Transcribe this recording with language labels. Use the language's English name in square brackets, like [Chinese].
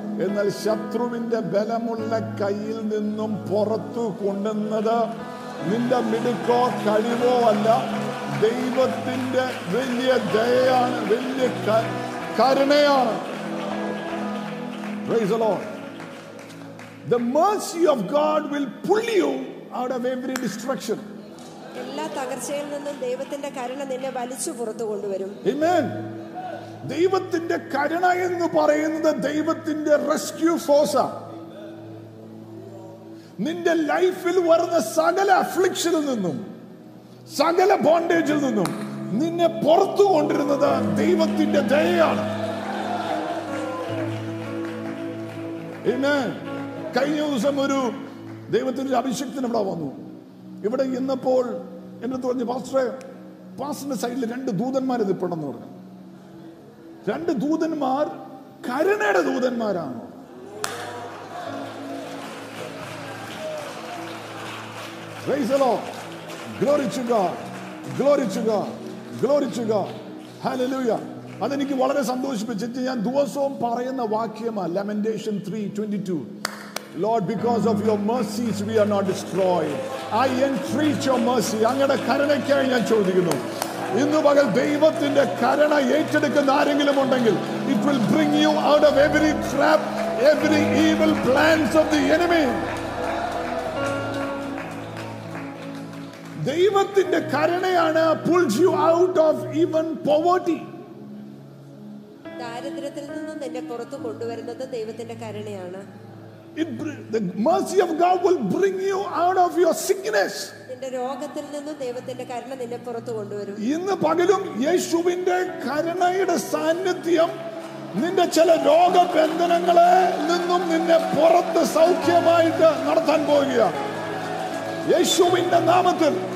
[Malayalam] എന്നാൽ ശത്രുവിന്റെ ബലമുള്ള കയ്യിൽ നിന്നും പുറത്തു കൊണ്ടുവന്നത് നിന്റെ മിടുക്കോ കഴിവോ അല്ല, ദൈവത്തിന്റെ വലിയ ദയയാണ്, വലിയ കരുണയാണ്. [English] Praise the Lord. The mercy of God will pull you out of every destruction. [Malayalam] എല്ലാ തകർച്ചയിൽ നിന്നും ദൈവത്തിന്റെ കരുണ നിന്നെ വലിച്ചു പുറത്തു കൊണ്ടുവരും. [English] Amen. [Malayalam] ദൈവത്തിന്റെ കരുണ എന്ന് പറയുന്നത് ദൈവത്തിന്റെ റെസ്ക്യൂ ഫോഴ്സ് ആ. നിന്റെ ലൈഫിൽ വരുന്ന സകല അഫ്ലിക്ഷനിൽ നിന്നും സകല ബോണ്ടേജിൽ നിന്നും നിന്നെ പുറത്തു കൊണ്ടിരുന്നത് ദൈവത്തിന്റെ ദയയാണ്. Amen. കഴിഞ്ഞ ദിവസം ഒരു ദൈവത്തിന്റെ അഭിഷേകത്തിന് ഇവിടെ വന്നു. ഇവിടെ ഇന്നപ്പോൾ എന്നെ തോന്നി പാസ്റ്ററെ, പാസ്റ്ററിന്റെ സൈഡിൽ രണ്ട് ദൂതന്മാർ ഇത് പെടുന്നു പറഞ്ഞു. രണ്ട് ദൂതന്മാർ കരുണയുടെ ദൂതന്മാരാണ്. [English] Praise the Lord. Glory to God. Glory to God. Glory to God. Hallelujah. [Malayalam] അതെനിക്ക് വളരെ സന്തോഷിപ്പിച്ചിട്ട് ഞാൻ ദിവസവും പറയുന്ന വാക്യമാണ് lamentation 3:22. [English] Lord, because of your mercies we are not destroyed. I entreat your mercy. [Malayalam] അങ്ങയുടെ കരുണയ്ക്കായി ഞാൻ ചോദിക്കുന്നു. ഇന്ന് പകൽ ദൈവത്തിന്റെ കരുണ ഏറ്റെടുക്കുന്ന ആരെങ്കിലും ഉണ്ടെങ്കിൽ [English] it will bring you out of every trap, every evil plans of the enemy. [Malayalam] ദൈവത്തിന്റെ കരുണയാണ് [English] pulls you out of even poverty. [Malayalam] ദാരിദ്ര്യത്തിൽ നിന്നും നിന്നെ പുറത്തു കൊണ്ടുവരുന്നത് ദൈവത്തിന്റെ കരുണയാണ്. [English] The mercy of God will bring you out of your sickness. [Malayalam] നിന്റെ രോഗത്തിൽ നിന്നും ദൈവത്തിന്റെ കരുണ നിന്നെ പുറത്തു കൊണ്ടുവരും. ഇന്ന് പകലും യേശുവിന്റെ കരുണയുടെ സാന്നിധ്യം നിന്റെ ചില രോഗബന്ധനങ്ങളെ നിന്നും നിന്നെ പുറത്ത് സൗഖ്യമായിട്ട് നടത്താൻ പോവുകയാണ് യേശുവിന്റെ നാമത്തിൽ.